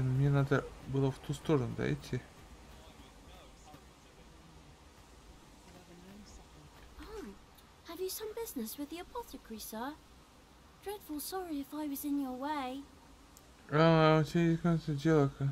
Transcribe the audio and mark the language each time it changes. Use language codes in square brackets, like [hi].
[ru] Мне надо было в ту сторону, да, идти? [en] Oh, have you some business with the apothecary, sir? Dreadful sorry if I was in your way. [ru] У тебя есть какое-то дело.